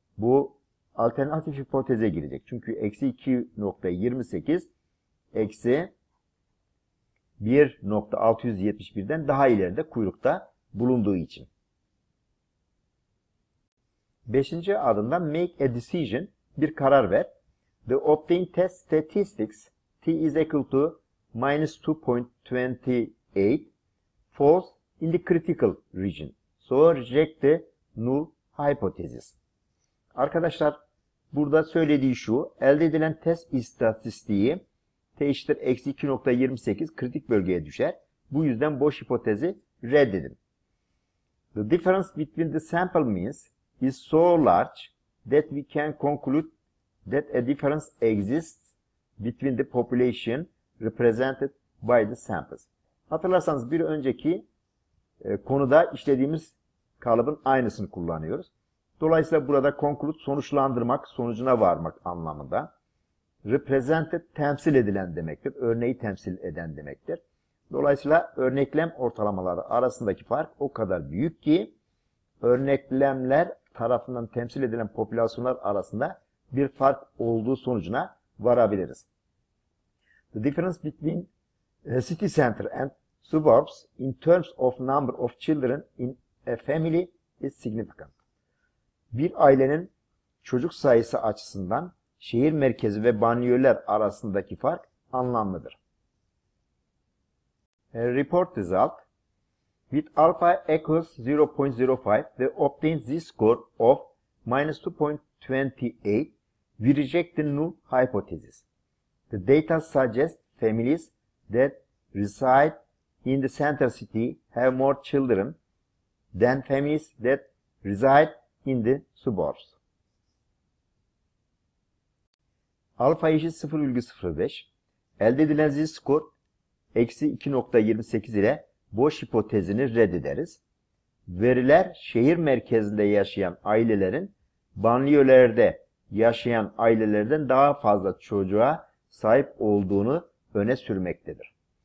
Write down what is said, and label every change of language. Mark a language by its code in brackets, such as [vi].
[tr] Bu alternatif hipoteze girecek. Çünkü -2.28 -1.671'den daha ileride kuyrukta bulunduğu için. Beşinci adımda [en] make a decision, [tr] bir karar ver. [en] The obtained test statistics, t is equal to -2.28, falls in the critical region. So reject the null hypothesis. [tr] Arkadaşlar burada söylediği şu, elde edilen test istatistiği t eşittir -2.28 kritik bölgeye düşer. Bu yüzden boş hipotezi reddedin. [en] The difference between the sample means is so large that we can conclude that a difference exists between the population represented by the samples. [tr] Hatırlarsanız bir önceki konuda işlediğimiz kalıbın aynısını kullanıyoruz. Dolayısıyla burada conclude sonuçlandırmak, sonucuna varmak anlamında. Represented temsil edilen demektir. Örneği temsil eden demektir. Dolayısıyla örneklem ortalamaları arasındaki fark o kadar büyük ki örneklemler tarafından temsil edilen popülasyonlar arasında bir fark olduğu sonucuna varabiliriz. [en] The difference between city center and suburbs in terms of number of children in a family is significant. [tr] Bir ailenin çocuk sayısı açısından şehir merkezi ve banliyöler arasındaki fark anlamlıdır. [en] Report result. With alpha equals 0.05, the obtained z-score of -2.28, we reject the null hypothesis. The data suggest families that reside in the center city have more children than families that reside in the suburbs. [tr] Alfa eşit 0.05. Elde edilen z-score -2.28 ile boş hipotezini reddederiz. Veriler şehir merkezinde yaşayan ailelerin banliyölerde yaşayan ailelerden daha fazla çocuğa sahip olduğunu öne sürmektedir.